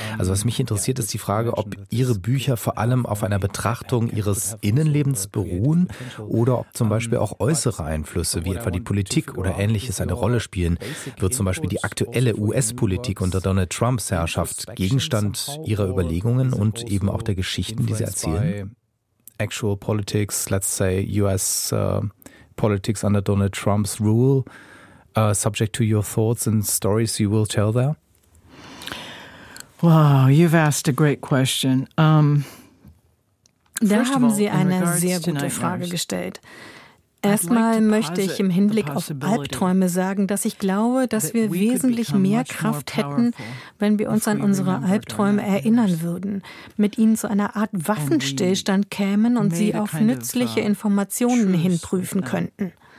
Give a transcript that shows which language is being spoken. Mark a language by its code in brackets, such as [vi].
[de] Also was mich interessiert, ist die Frage, ob Ihre Bücher vor allem auf einer Betrachtung Ihres Innenlebens beruhen oder ob zum Beispiel auch äußere Einflüsse, wie etwa die Politik oder Ähnliches, eine Rolle spielen. Wird zum Beispiel die aktuelle US-Politik unter Donald Trumps Herrschaft Gegenstand Ihrer Überlegungen und eben auch der Geschichten, die Sie erzählen? [en] Actual politics, let's say US politics under Donald Trump's rule, subject to your thoughts and stories you will tell there? Wow, you've asked a great question. [de] Da haben Sie eine sehr gute Frage gestellt. Erstmal möchte ich im Hinblick auf Albträume sagen, dass ich glaube, dass wir wesentlich mehr Kraft hätten, wenn wir uns an unsere Albträume erinnern würden, mit ihnen zu einer Art Waffenstillstand kämen und sie auf nützliche Informationen hinprüfen könnten.